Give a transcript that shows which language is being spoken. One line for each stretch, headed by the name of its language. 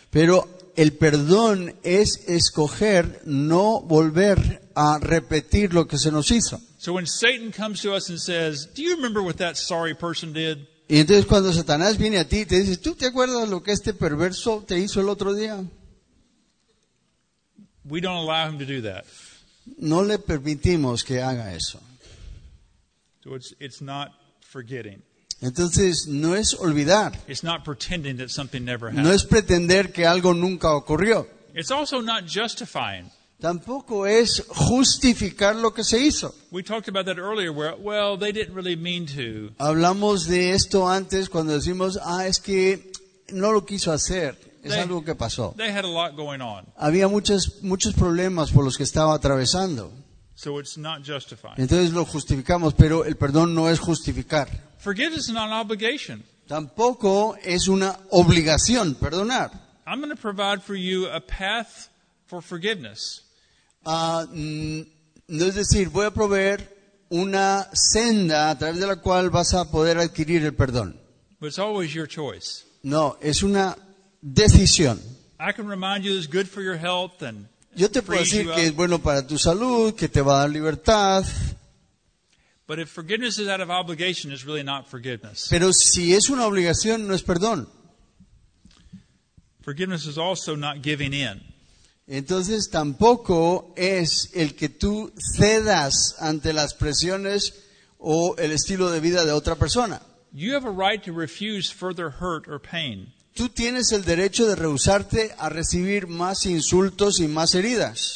Spanish: Pero el perdón es escoger no volver a repetir lo que se nos hizo.
English: So when Satan comes to us and says, "Do you remember what that sorry person did?"
Spanish: Y entonces cuando Satanás viene a ti y te dice, "¿Tú te acuerdas lo que este perverso te hizo el otro día?"
English: We don't allow him to do that.
Spanish: No le permitimos que haga eso.
English: So it's not forgetting.
Spanish: Entonces, no es olvidar.
English: It's not pretending that something never happened.
Spanish: No es pretender que algo nunca ocurrió.
English: It's also not justifying.
Spanish: Tampoco es justificar lo que se hizo.
English: We talked about that earlier where, well, they didn't really mean to.
Spanish: Hablamos de esto antes cuando decimos, es que no lo quiso hacer. Es algo que pasó.
English: They had a lot going on.
Spanish: Había muchos problemas por los que estaba atravesando.
English: So it's not justifying.
Spanish: Entonces lo justificamos, pero el perdón no es justificar.
English: Forgiveness is not an obligation.
Spanish: Tampoco es una obligación perdonar.
English: I'm going to provide for you a path for forgiveness.
Spanish: No es decir, voy a proveer una senda a través de la cual vas a poder adquirir el perdón.
English: But it's always your choice.
Spanish: No, es una decisión.
English: I can remind you it's good for your health and
Spanish: yo te puedo decir que es bueno para tu salud, que te va a dar libertad.
English: But if forgiveness is out of obligation, it's really not forgiveness.
Spanish: Pero si es una obligación, no es perdón.
English: Forgiveness is also not giving in.
Spanish: Entonces tampoco es el que tú cedas ante las presiones o el estilo de vida de otra persona.
English: You have a right to refuse further hurt or pain.
Spanish: Tú tienes el derecho de rehusarte a recibir más insultos y más heridas.